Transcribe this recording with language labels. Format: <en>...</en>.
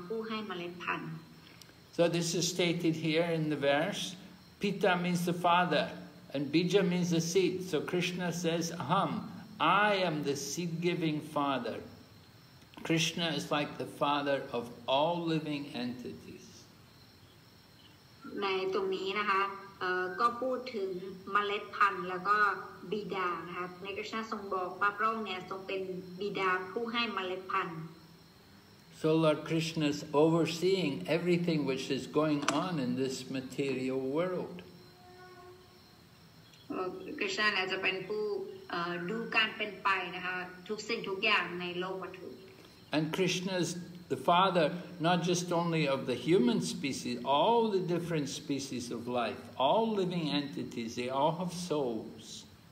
<th>โอโรพนาคุณทีควรเข้าใจว่าที่เผ่าพันธุ์ชีวิตทั้งหมดเป็นไปได้ก็จากการเกิดในธรรมชาติวัตถุนี้และข้าคือพระบิดาผู้ให้เมล็ดพันธุ์</th> <en>So this is stated here in the verse. Pita means the father and Bija means the seed. So Krishna says, Aham, I am the seed-giving father. Krishna is like the father of all living entities.</en> <th>ในตรงนี้นะคะก็พูดถึงเมล็ดพันธุ์แล้วก็บิดานะครับในคริสต์ศาสนาทรงบอกว่าพระองค์เนี่ยทรงเป็นบิดาผู้ให้เมล็ดพันธุ์</th> <en>So Lord Krishna is overseeing everything which is going on in this material world</en> <th>คริสต์น่าจะเป็นผู้ดูการเป็นไปนะคะทุกสิ่งทุกอย่างในโลกวัตถุ</th> <en>And Krishna is the father not just only of the human species, all the different species of life, all living entities, they all have souls.</en>